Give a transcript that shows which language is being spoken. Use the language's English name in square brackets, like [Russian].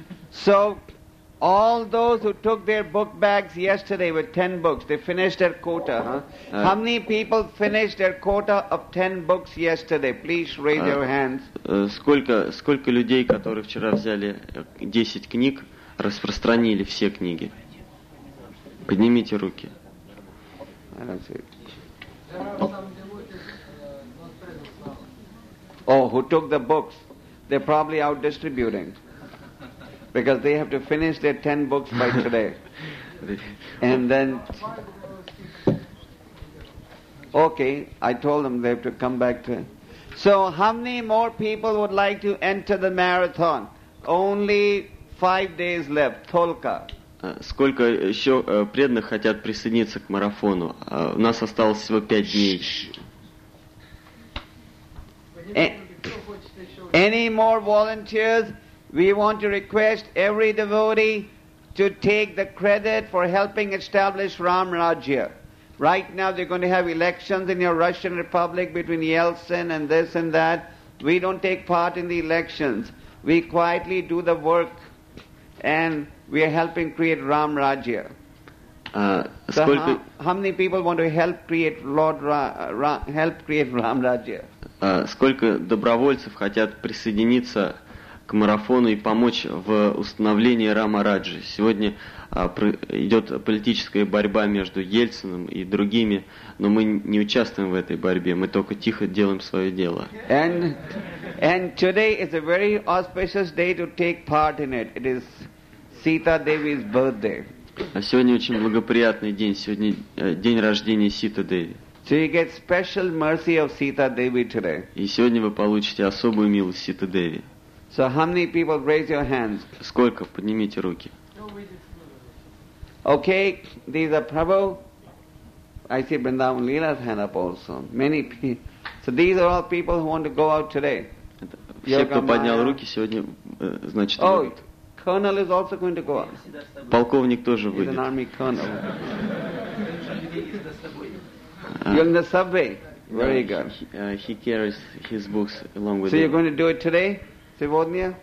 [English] So all those who took their book bags yesterday with 10 books, they finished their quota, huh? How many people finished their quota of 10 books yesterday? Please raise your hands. [Russian] Сколько людей, которые вчера взяли 10 книг, распространили все книги? Поднимите руки. [English] Oh, who took the books? They're probably out distributing. Because they have to finish their 10 books by today. And then... Okay, I told them they have to come back to... So how many more people would like to enter the marathon? Only 5 days left. [Russian] Только. Сколько еще преданных хотят присоединиться к марафону? У нас осталось всего 5 дней. [English] Any more volunteers? We want to request every devotee to take the credit for helping establish Ram Rajya. Right now they're going to have elections in your Russian Republic between Yeltsin and this and that. We don't take part in the elections. We quietly do the work, and we are helping create Ram Rajya. How many people want to help create Ram Rajya? [Russian] Сколько добровольцев хотят присоединиться к марафону и помочь в установлении Рама Раджи? Сегодня идет политическая борьба между Ельциным и другими, но мы не участвуем в этой борьбе, мы только тихо делаем свое дело. [English] And today is a very auspicious day to take part in it. It is Sita Devi's birthday. [Russian] А сегодня очень благоприятный день. Сегодня день рождения Сита Деви. [English] So you get special mercy of Sita Devi today. [Russian] И сегодня вы получите особую милость Сита Деви. [English] So how many people raise your hands? [Russian] Сколько? Поднимите руки. [English] Okay, these are Prabhu. I see Vrindavan Leela's hand up also. Many people. So these are all people who want to go out today. [Russian] Все, кто поднял руки сегодня, значит, выйдут. [English] Oh, colonel is also going to go out. [Russian] Полковник тоже выйдет. [English] He's an army colonel. You're in the subway. Very good. He carries his books along with him. So you're going to do it today? [Russian] Сегодня?